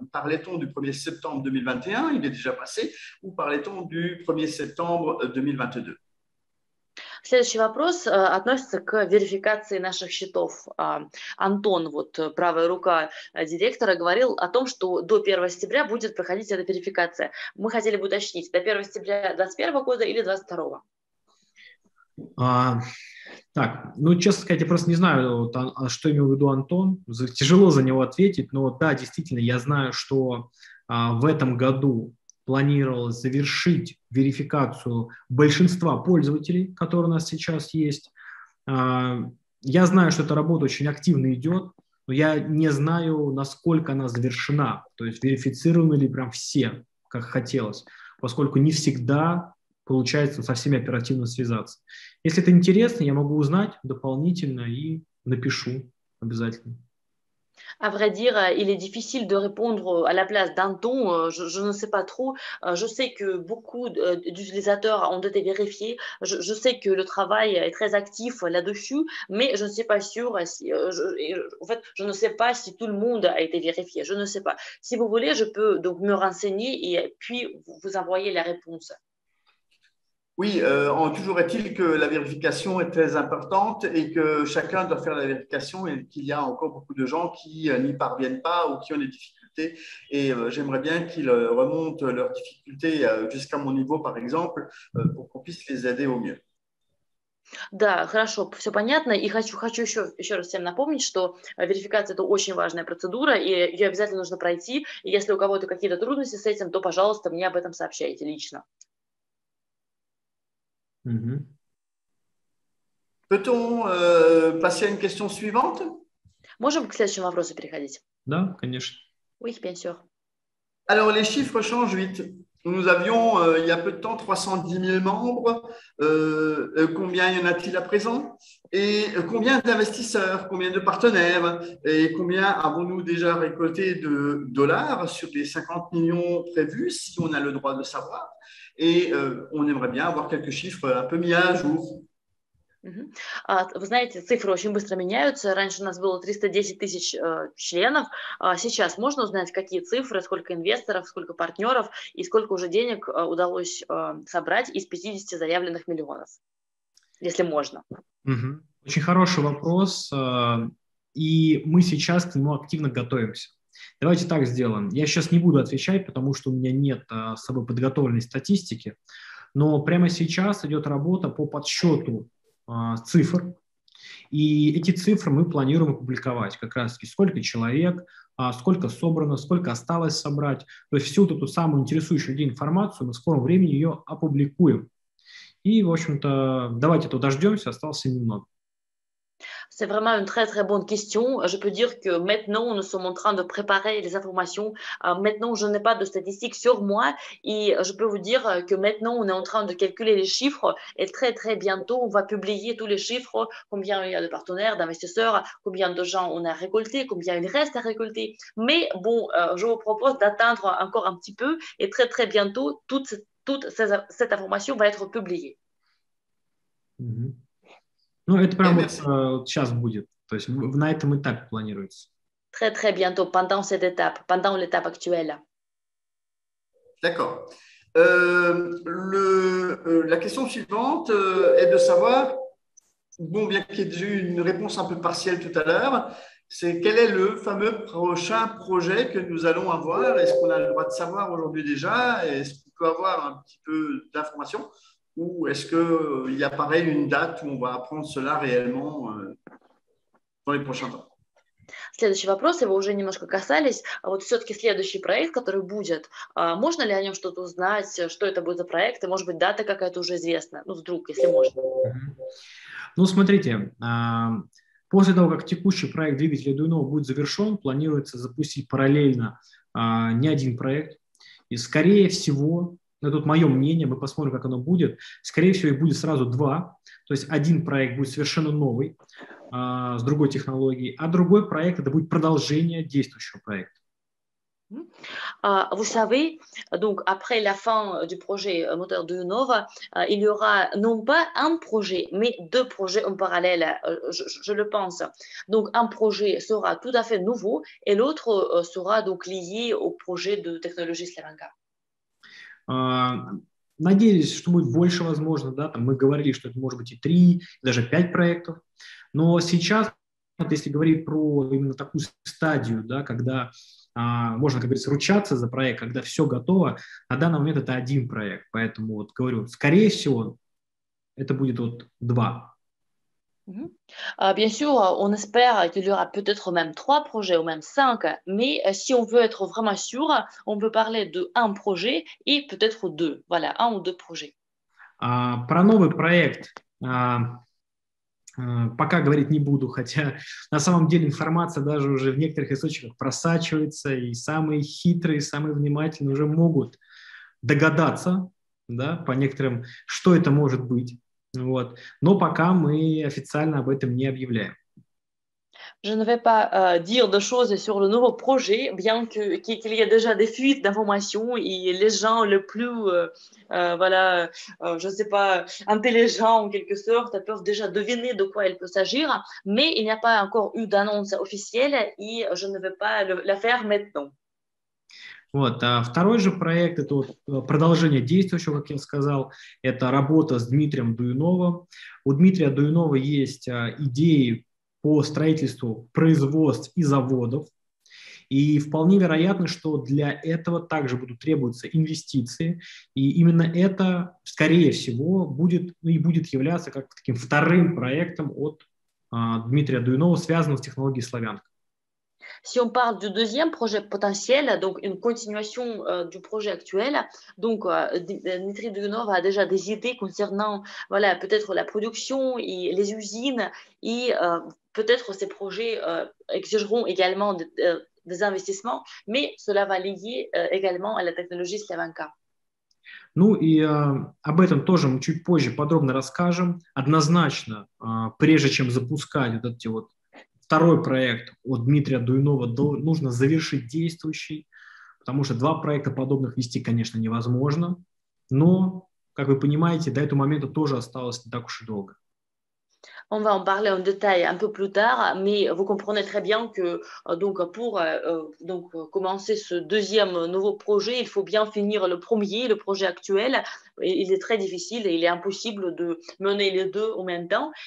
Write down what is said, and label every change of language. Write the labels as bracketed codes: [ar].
[fr] Parlait-on du 1er septembre 2021, il est déjà passé, ou parlait-on du 1er septembre 2022? [ru] Следующий вопрос относится к верификации наших счетов. Антон, вот правая рука директора, говорил о том, что до 1 сентября будет проходить эта верификация. Мы хотели бы уточнить, до 1 сентября 2021 года или 2022? Так, ну, честно сказать, я просто не знаю, вот, что имел в виду Антон. Тяжело за него ответить, но да, действительно, я знаю, что в этом году планировалось завершить верификацию большинства пользователей, которые у нас сейчас есть. Я знаю, что эта работа очень активно идет, но я не знаю, насколько она завершена, то есть верифицированы ли прям все, как хотелось, поскольку не всегда получается со всеми оперативно связаться. Если это интересно, я могу узнать дополнительно и напишу обязательно. [fr] À vrai dire, il est difficile de répondre à la place d'Anton, je ne sais pas trop. Je sais que beaucoup d'utilisateurs ont été vérifiés, je sais que le travail est très actif là-dessus, mais je ne suis pas sûre, je ne sais pas si tout le monde a été vérifié, je ne sais pas. Si vous voulez, je peux donc me renseigner et puis vous envoyer la réponse. Oui, toujours est-il que la vérification est très importante et que chacun doit faire la vérification et qu'il y a encore beaucoup de gens qui n'y parviennent pas ou qui ont des difficultés. Et j'aimerais bien qu'ils remontent leurs difficultés jusqu'à mon niveau, par exemple, pour qu'on puisse les aider au mieux. [ru] Да, хорошо, все понятно. И хочу еще раз всем напомнить, что верификация – это очень важная процедура, и ее обязательно нужно пройти. И если у кого-то какие-то трудности с этим, то, пожалуйста, мне об этом сообщайте лично. [fr] Peut-on passer à une question suivante? [ru] Можем к следующему вопросу переходить? Да, конечно. [fr] Oui, bien sûr. Alors, les chiffres changent vite. Nous avions, il y a peu de temps, 310 000 membres. Combien y en a-t-il à présent? Et combien d'investisseurs, combien de partenaires? Et combien avons-nous déjà récolté de dollars sur les 50 millions prévus, si on a le droit de savoir? Et on aimerait bien avoir quelques chiffres un peu mis à jour. [ru] Вы знаете, цифры очень быстро меняются. Раньше у нас было 310 тысяч членов. Сейчас можно узнать, какие цифры, сколько инвесторов, сколько партнеров и сколько уже денег удалось собрать из 50 заявленных миллионов, если можно? Очень хороший вопрос, и мы сейчас к нему активно готовимся. Давайте так сделаем. Я сейчас не буду отвечать, потому что у меня нет с собой подготовленной статистики, но прямо сейчас идет работа по подсчету цифр, и эти цифры мы планируем опубликовать как раз-таки. Сколько человек, сколько собрано, сколько осталось собрать. То есть всю эту самую интересующую информацию мы в скором времени ее опубликуем. И, в общем-то, давайте то дождемся, остался немного. [fr] C'est vraiment une très très bonne question. Je peux dire que maintenant, nous sommes en train de préparer les informations. Maintenant, je n'ai pas de statistiques sur moi et je peux vous dire que maintenant, on est en train de calculer les chiffres et très très bientôt, on va publier tous les chiffres, combien il y a de partenaires, d'investisseurs, combien de gens on a récolté, combien il reste à récolter. Mais bon, je vous propose d'attendre encore un petit peu et très très bientôt, toute cette information va être publiée. [ru] Ну, это прямо вот сейчас будет. То есть на этом этапе планируется. [fr] Très-très bientôt, pendant cet étape, pendant l'étape actuelle. D'accord. La question suivante est de savoir, bon, bien qu'il y ait eu une réponse un peu partielle tout à l'heure, c'est quel est le fameux prochain projet que nous allons avoir? Est-ce qu'on a le droit de savoir aujourd'hui déjà? Est-ce qu'on peut avoir un petit peu d'informations? Ou est-ce qu'il y apparaît une date où on va apprendre cela réellement dans les prochains temps? [ru] Следующий вопрос, его уже немножко касались. Вот все-таки следующий проект, который будет, можно ли о нем что-то узнать, что это будет за проект, и может быть дата какая-то уже известна? Ну, вдруг, если можно. Ну, смотрите, после того, как текущий проект двигателя Дуйного будет завершен, планируется запустить параллельно не один проект, и, скорее всего, но тут мое мнение, мы посмотрим, как оно будет. Скорее всего, их будет сразу два. То есть один проект будет совершенно новый, с другой технологией, а другой проект – это будет продолжение действующего проекта. [fr] Vous savez, donc après la fin du projet moteur de Nova, il y aura non pas un projet, mais deux projets en parallèle, je le pense. Donc un projet sera tout à fait nouveau et l'autre sera donc lié au projet de technologie Slavanka. [ru] Надеюсь, что будет больше возможно, да, там мы говорили, что это может быть и 3, даже 5 проектов, но сейчас, вот если говорить про именно такую стадию, да, когда можно, как говорится, ручаться за проект, когда все готово, на данный момент это один проект, поэтому вот говорю, скорее всего, это будет вот 2. [fr] Bien sûr, on espère qu'il y aura peut-être même 3 projets ou même 5, mais si on veut être vraiment sûr, on peut parler de un projet et peut-être 2. Voilà, 1 ou 2 projets. [ru] Про новый проект пока говорить не буду, хотя на самом деле информация даже уже в некоторых источниках просачивается, и самые хитрые, самые внимательные уже могут догадаться, да, по некоторым, что это может быть. Вот. Но пока мы официально об этом не объявляем. [fr] Je ne vais pas dire de choses sur le nouveau projet, bien qu'il y ait déjà des fuites d'informations et les gens le plus, je ne sais pas, intelligents en quelque sorte, peuvent déjà deviner de quoi il peut s'agir, mais il n'y a pas encore eu d'annonce officielle et je ne vais pas la faire maintenant. [ru] Вот, а второй же проект, это вот продолжение действующего, как я сказал, это работа с Дмитрием Дуйновым. У Дмитрия Дуйнова есть идеи по строительству производств и заводов, и вполне вероятно, что для этого также будут требоваться инвестиции, и именно это, скорее всего, будет, ну, и будет являться как таким вторым проектом от Дмитрия Дуйнова, связанным с технологией Славянка. [fr] Si on parle du deuxième projet potentiel, donc une continuation du projet actuel, donc Dmitri Dugunov a déjà des idées concernant voilà, peut-être la production et les usines, et peut-être ces projets exigeront également des investissements, mais cela va lier également à la technologie Slavanka. [ru] Ну и об этом тоже мы чуть позже подробно расскажем. Однозначно, прежде чем запускать вот эти вот второй проект от Дмитрия Дуйнова нужно завершить действующий, потому что 2 проекта подобных вести, конечно, невозможно. Но, как вы понимаете, до этого момента тоже осталось не так уж и долго. [fr] On va en parler en détail un peu plus tard, mais vous comprenez très bien que donc pour donc commencer ce deuxième nouveau projet, il faut bien finir le premier, le projet actuel. Il est très difficile et il est impossible de mener les deux en même temps.